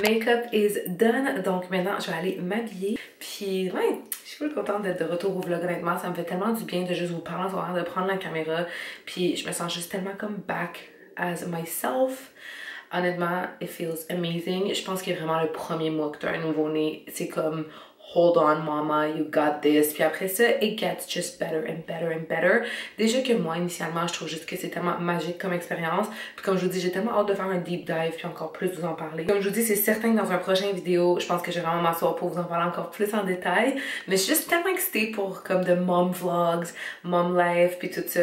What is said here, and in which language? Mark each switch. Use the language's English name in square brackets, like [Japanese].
[English] Make-up is done. [French] Donc maintenant, je vais aller m'habiller. Puis, ouais, je suis contente d'être de retour au vlog. Honnêtement, ça me fait tellement du bien de juste vous parler en ce moment, de prendre la caméra. Puis, je me sens juste tellement comme [English] back as myself. [French] Honnêtement, [English] it feels amazing. [French] Je pense que vraiment le premier mois que tu as un nouveau-né, c'est comme [English] hold on, mama, you got this. [French] Puis après ça, [English] it gets just better and better and better. [French] Déjà que moi, initialement, je trouve juste que c'est tellement magique comme expérience. Puis comme je vous dis, j'ai tellement hâte de faire un deep dive puis encore plus vous en parler. Comme je vous dis, c'est certain que dans un prochain vidéo, je pense que je vais vraiment m'asseoir pour vous en parler encore plus en détail. Mais je suis juste tellement excitée pour comme de mom vlogs, mom life puis tout ça.